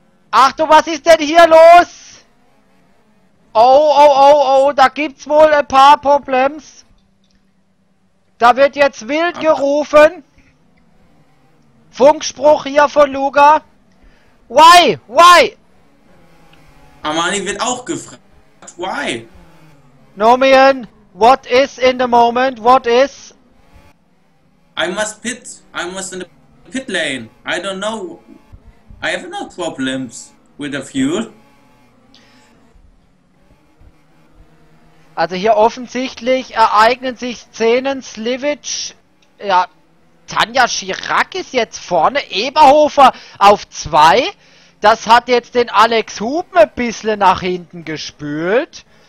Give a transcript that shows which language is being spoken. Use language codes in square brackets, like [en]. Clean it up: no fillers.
[de] Achtung, was ist denn hier los? Oh, da gibt's wohl ein paar Problems. Da wird jetzt wild gerufen. Funkspruch hier von Luger. [en] Why? Armani wird auch gefragt. Why? Nomian, what is in the moment? What is? I must in the pit lane. I don't know. I have no problems with the fuel. [de] Also hier offensichtlich ereignen sich Szenen. Slivage, ja. Tanja Chirac ist jetzt vorne, Eberhofer auf 2. Das hat jetzt den Alex Huben ein bisschen nach hinten gespült.